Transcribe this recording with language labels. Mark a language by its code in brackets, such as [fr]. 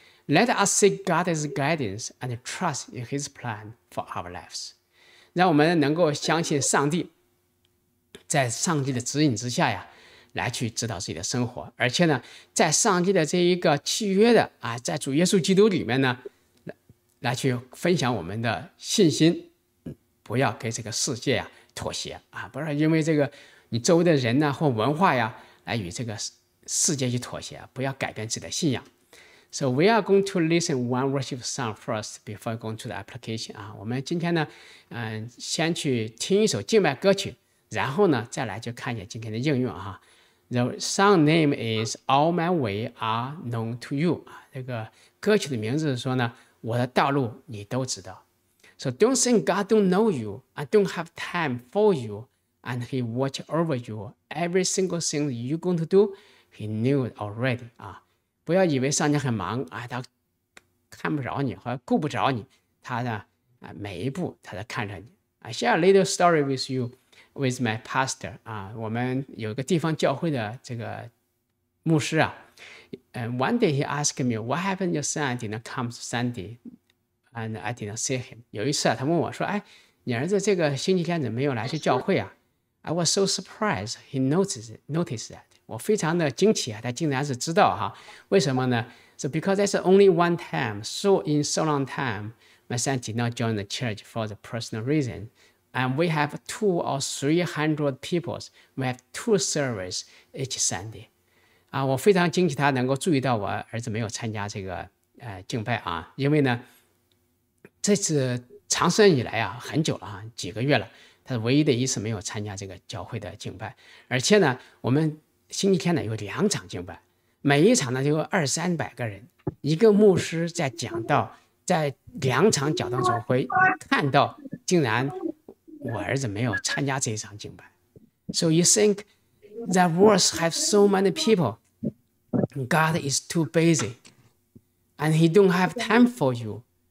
[en] Let us seek God's guidance and trust in His plan for our lives. [zh] 让我们能够相信上帝，在上帝的指引之下呀来去指导自己的生活，而且呢在上帝的这一个契约的啊，在主耶稣基督里面呢 来去分享我们的信心，不要给这个世界啊妥协啊，不是因为这个你周围的人呢或文化呀来与这个世界去妥协，不要改变自己的信仰。 [en] So we are going to listen one worship song first before going to the application 啊， [zh] 我们今天呢先去听一首敬拜歌曲，然后呢再来就看一下今天的应用啊。 [en] The song name is All My Way Are Known To You. [zh] 这个歌曲的名字是说呢，我的道路你都知道。 [en] So don't think God don't know you and don't have time for you and He watch over you. Every single thing you're going to do, He knew already.、 [zh] 啊、不要以为上帝很忙、啊、他看不着你和顾不着你，他呢、啊、每一步他在看着你。 [en] I share a little story with youwith my pastor、啊、 [zh] 我们有一个地方教会的这个牧师啊、 [en] one day he asked me, what happened your son did not come to Sunday、 and I didn't see him. [zh] 有一次啊，他问我说，哎，你儿子这个星期天怎么没有来去教会啊？ [en] I was so surprised he noticed that. [zh] 我非常的惊奇啊，他竟然是知道哈，为什么呢？ [en] So because that's only one time, so in so long time, my son did not join the church for the personal reason. And we have 200 or 300 people. We have 2 services each Sunday. [zh] 啊，我非常惊奇他能够注意到我儿子没有参加这个敬拜啊，因为呢，这次长生以来啊，很久了啊，几个月了，他唯一的一次没有参加这个教会的敬拜。而且呢，我们星期天呢有两场敬拜，每一场呢就有200-300个人，一个牧师在讲道，在两场讲道中会看到，竟然我儿子没有参加这一场敬拜。 [en] So you think that words have so many people, God is too busy, and He don't have time for you.